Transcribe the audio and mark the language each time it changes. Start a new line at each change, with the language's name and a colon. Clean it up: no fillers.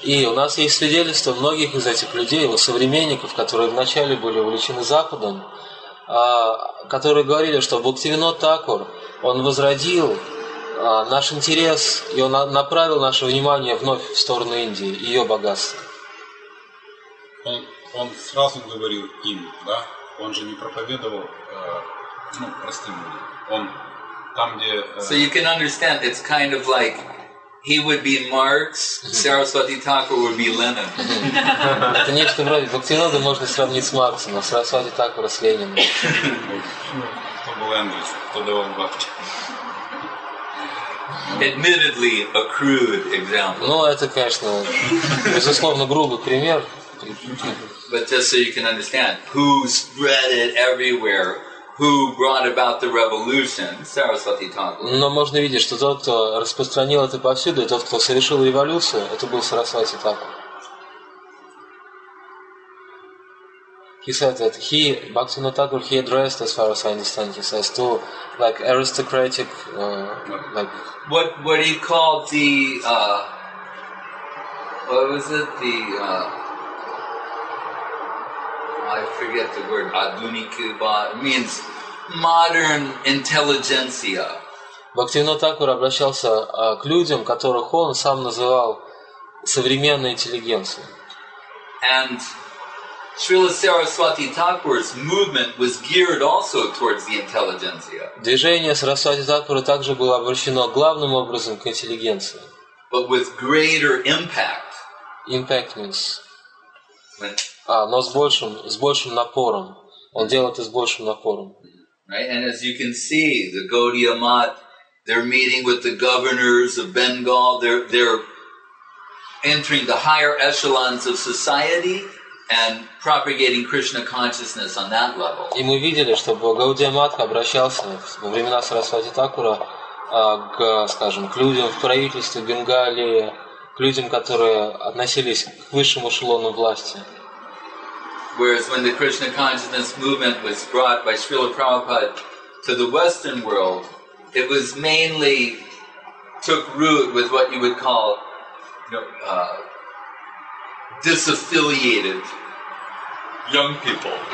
Russian: И у нас есть свидетельство многих из этих людей, его современников, которые вначале были увлечены Западом, которые говорили, что Бхактивинод Тхакур, он возродил наш интерес, и он направил наше внимание вновь в сторону Индии, ее богатства. Он сразу говорил им, да? Он же не проповедовал простым людям. Он там, где...
English: So you can understand, it's kind of like he would be Marx, Saraswati Thakur would be Lenin.
Russian: Это нечто вроде, Бхактивинода можно сравнить с Марксом, а Сарасвати Тхакур с Лениным. Кто был Энгельс, кто давал бабки.
English: Admittedly, a crude example.
Russian: Ну, это, конечно, безусловно, грубый пример.
English: But just so you can understand, who spread it everywhere, who brought about the revolution, Saraswati Thakur.
Russian: Но можно видеть, что тот, кто распространил это повсюду, и тот, кто совершил революцию, это был Сарасвати Тхакур.
English: He said that he, Bhaktivinoda Thakur, he addressed, as far as I understand, he says, to like aristocratic, like... What he called the, what was it, the, I forget the word, Adunikuba, it means modern intelligentsia.
Russian: Bhaktivinoda Thakur обращался к людям, которых он сам называл современной интеллигенцией.
English: And... Srila Saraswati Thakur's movement was geared also towards the intelligentsia.
Russian: Движение Сарасвати Тхакура также было обращено главным образом к интеллигенции.
English: But with greater impact. Impact means.
Russian: Но с большим напором. Он делает это с большим напором.
English: Right, and as you can see, the Gaudiya Math, they're meeting with the governors of Bengal. They're entering the higher echelons of society. And propagating Krishna consciousness on that level.
Russian: И мы видели, что Гаудия Матха обращался во времена Сарасвати Тхакура к людям в правительстве Бенгалии, к людям, которые относились к высшему эшелону власти.
English: Whereas when the Krishna consciousness movement was brought by Srila Prabhupada to the Western world, it was mainly took root with what you would call disaffiliated young people.